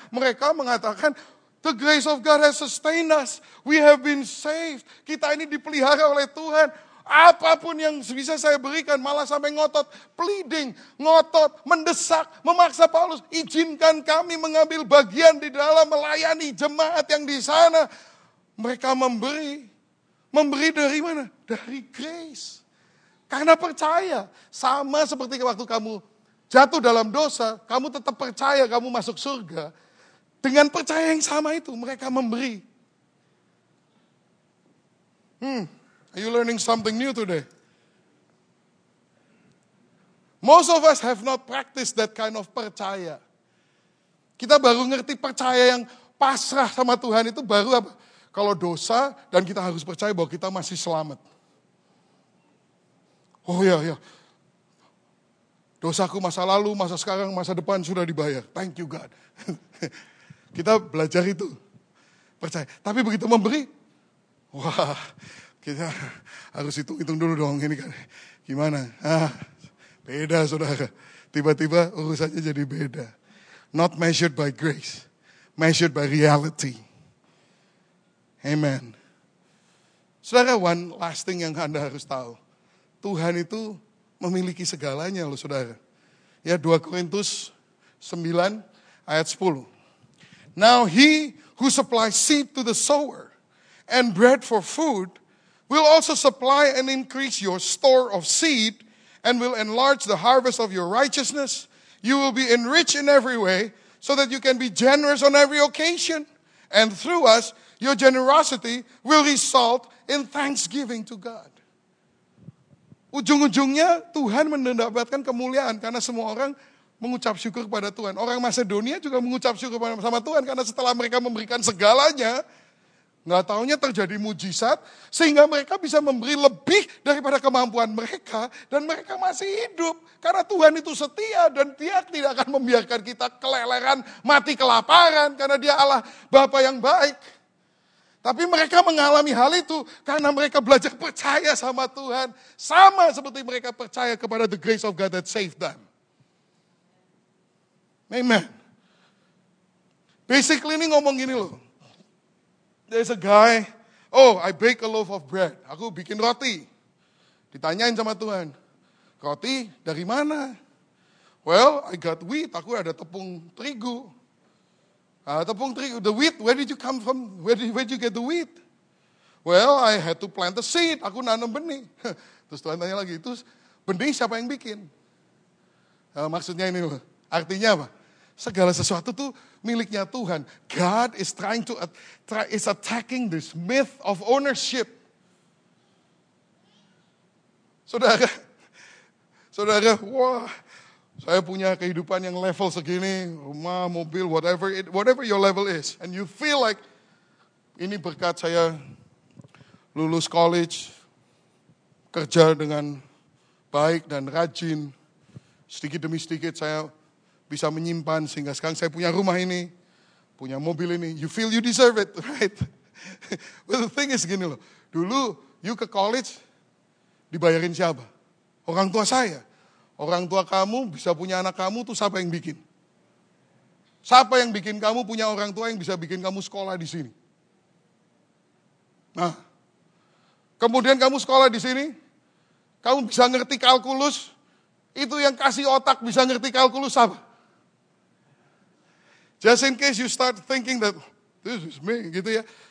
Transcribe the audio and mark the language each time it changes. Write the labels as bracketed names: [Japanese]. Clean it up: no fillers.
[Indonesian] Mereka mengatakan, [English] the grace of God has sustained us. We have been saved. [Indonesian] Kita ini dipelihara oleh Tuhan. Apapun yang bisa saya berikan, malah sampai ngotot, pleading, ngotot, mendesak, memaksa Paulus, izinkan kami mengambil bagian di dalam melayani jemaat yang di sana. Mereka memberi. Memberi dari mana? Dari grace. Karena percaya. Sama seperti waktu kamu jatuh dalam dosa, kamu tetap percaya kamu masuk surga. Dengan percaya yang sama itu, mereka memberi. [English] Are you learning something new today? Most of us have not practiced that kind of percaya. [Indonesian] Kita baru ngerti percaya yang pasrah sama Tuhan itu baru apa? Kalau dosa dan kita harus percaya bahwa kita masih selamat. Oh iya, iya. Dosaku masa lalu, masa sekarang, masa depan sudah dibayar. [English] Thank you God. [Indonesian] Kita belajar itu. Percaya. Tapi begitu memberi, wah, kita harus hitung-hitung dulu dong ini kan. Gimana? Beda saudara. Tiba-tiba urusannya jadi beda. [English] Not measured by grace. Measured by reality. Amen. [Indonesian] Saudara, [English] one last thing [Indonesian] yang Anda harus tahu. Tuhan itu memiliki segalanya loh saudara. Ya, 2 Korintus 9 ayat 10. [English] Now he who supplies seed to the sower and bread for food will also supply and increase your store of seed and will enlarge the harvest of your righteousness. You will be enriched in every way so that you can be generous on every occasion. And through us, your generosity will result in thanksgiving to God. [Indonesian] Ujung-ujungnya Tuhan mendapatkan kemuliaan karena semua orang mengucap syukur kepada Tuhan. Orang Macedonia juga mengucap syukur sama Tuhan karena setelah mereka memberikan segalanya, gak taunya terjadi mujizat sehingga mereka bisa memberi lebih daripada kemampuan mereka dan mereka masih hidup. Karena Tuhan itu setia dan dia tidak akan membiarkan kita keleleran, mati kelaparan karena dia Allah Bapa yang baik. Tapi mereka mengalami hal itu karena mereka belajar percaya sama Tuhan. Sama seperti mereka percaya kepada [English] the grace of God that saved them. [Indonesian] Amen. Basically ini ngomong gini loh. [English] There's a guy, I bake a loaf of bread. [Indonesian] Aku bikin roti. Ditanyain sama Tuhan, roti dari mana? [English] Well, I got wheat, [Indonesian] aku ada tepung terigu. [English] Tepung terigu, the wheat, where did you come from? Where did you get the wheat? Well, I had to plant the seed, [Indonesian] aku nanam benih. Terus Tuhan tanya lagi, terus benih siapa yang bikin? Maksudnya ini loh, artinya apa? Segala sesuatu tuh miliknya Tuhan. [English] God is trying to is attacking this myth of ownership. [Indonesian] Saudara, wah, saya punya kehidupan yang level segini, rumah, mobil, [English] whatever your level is, and you feel like [Indonesian] ini berkat saya lulus college, kerja dengan baik dan rajin, sedikit demi sedikit saya bisa menyimpan sehingga sekarang saya punya rumah ini, punya mobil ini. [English] You feel you deserve it, right? Well, the thing is [Indonesian] gini loh. Dulu, you ke college, dibayarin siapa? Orang tua saya. Orang tua kamu bisa punya anak kamu, tuh siapa yang bikin? Siapa yang bikin kamu punya orang tua yang bisa bikin kamu sekolah di sini? Nah, kemudian kamu sekolah di sini, kamu bisa ngerti kalkulus, itu yang kasih otak bisa ngerti kalkulus siapa? [English] Just in case you start thinking that this is me, [Indonesian] gitu ya.